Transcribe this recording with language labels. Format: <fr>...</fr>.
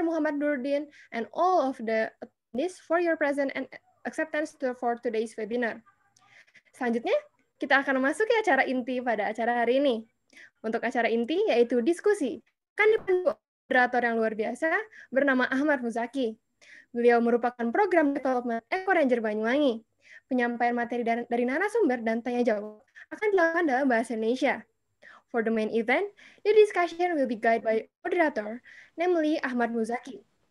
<en>Muhammad Nurdin, and all of the attendees for your presence and acceptance for today's webinar.</en> <id>Selanjutnya, kita akan memasuki acara inti pada acara hari ini. Untuk acara inti, yaitu diskusi, akan dipandu moderator yang luar biasa bernama Ahmad Muzaki. Beliau merupakan program development Eco Ranger Banyuwangi. Penyampaian materi dari narasumber dan tanya-jawab akan dilakukan dalam bahasa Indonesia.</id> <en>For the main event, the discussion will be guided by moderator, namely Ahmad Muzaki.</en>